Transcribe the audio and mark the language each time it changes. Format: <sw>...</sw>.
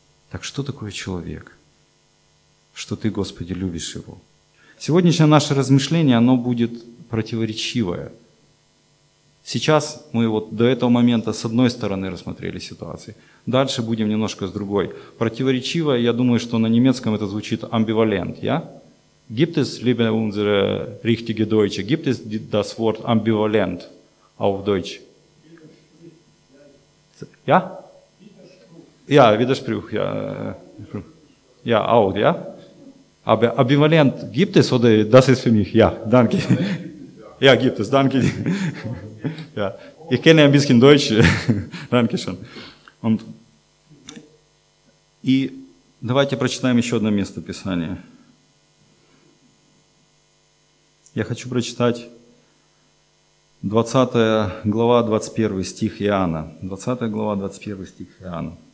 <ru>Так что такое человек, что ты, Господи, любишь его? Сегодняшнее наше размышление, оно будет противоречивое. Сейчас мы вот до этого момента с одной стороны рассмотрели ситуации. Дальше будем немножко с другой. Противоречиво, я думаю, что на немецком это звучит амбивалент, я?</ru> <de>Gibt es liebe unsere richtige Deutsche? Gibt es das Wort ambivalent auf Deutsch? Ja? Ja, Widerspruch, ja. Ja, auch, ja? Aber ambivalent gibt es oder das ist für mich? Ja, danke. Ja, gibt es, danke. Ja. Ich kenne ein bisschen Deutsch. Dankeschön.</de> <ru>Und и давайте прочитаем еще одно место Писания. Я хочу прочитать 20 глава, 21 стих Иоанна. 20 глава, 21 стих Иоанна.</ru>